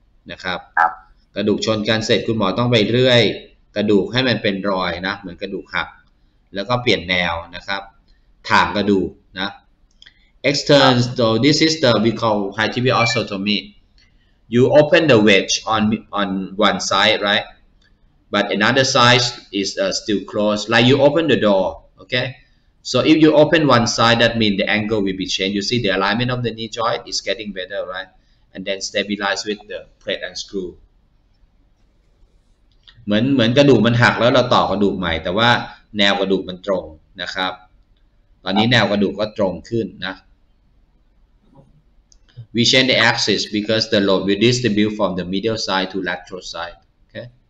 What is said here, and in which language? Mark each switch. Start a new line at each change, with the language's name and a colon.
Thai: นะครับกระดูกชนกันเสร็จคุณหมอต้องไปเรื่อยกระดูกให้มันเป็นรอยนะเหมือนกระดูกหักแล้วก็เปลี่ยนแนวนะครับถ่างกระดูกนะ
English: extern so this is the we call high tibia osteotomy you open the wedge on one side right but another side is still closed like you open the door okaySo if you open one side, that means the angle will be changed. You see the alignment of the knee joint is getting better, right? And then stabilize with the plate and screw.
Thai: เหมือนกระดูกมันหักแล้วเราต่อกระดูกใหม่แต่ว่าแนวกระดูกมันตรงนะครับตอนนี้แนวกระดูกก็ตรงขึ้นนะ
English: We change the axis because the load will distribute from the medial side to lateral side. Okay.